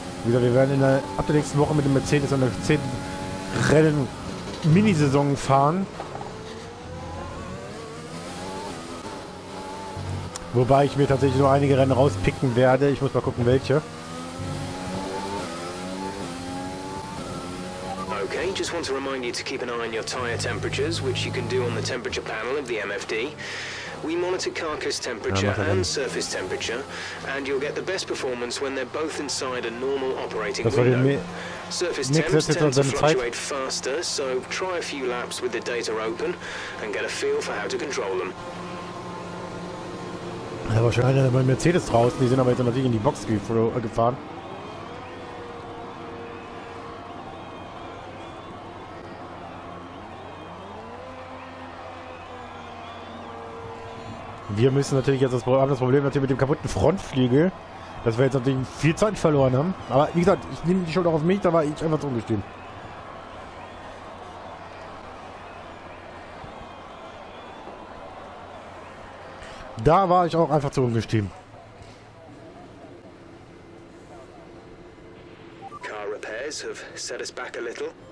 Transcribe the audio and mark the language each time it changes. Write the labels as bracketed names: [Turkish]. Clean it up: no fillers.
[German] Wie gesagt, wir werden ab der nächsten Woche mit dem Mercedes und der 10. Rennen Minisaison fahren. Wobei ich mir tatsächlich nur einige Rennen rauspicken werde. Ich muss mal gucken, welche. [English] Okay, just want to remind you to keep an eye on your tire temperatures, which you can do on the temperature panel of the MFD. We monitor carcass temperature and surface temperature, and you'll get the best performance when they're both inside a normal operating window. Surface temps tend to fluctuate faster, so try a few laps with the data open and get a feel for how to control them. [German] Da war schon einer bei Mercedes draußen, die sind aber jetzt natürlich in die Box gefahren. Wir müssen natürlich jetzt das Problem natürlich mit dem kaputten Frontflügel, dass wir jetzt natürlich viel Zeit verloren haben. Aber wie gesagt, ich nehme die Schuld auch auf mich, da war ich einfach zu ungestüm. Da war ich auch einfach zu ungestüm. [English] Car repairs have set us back a little.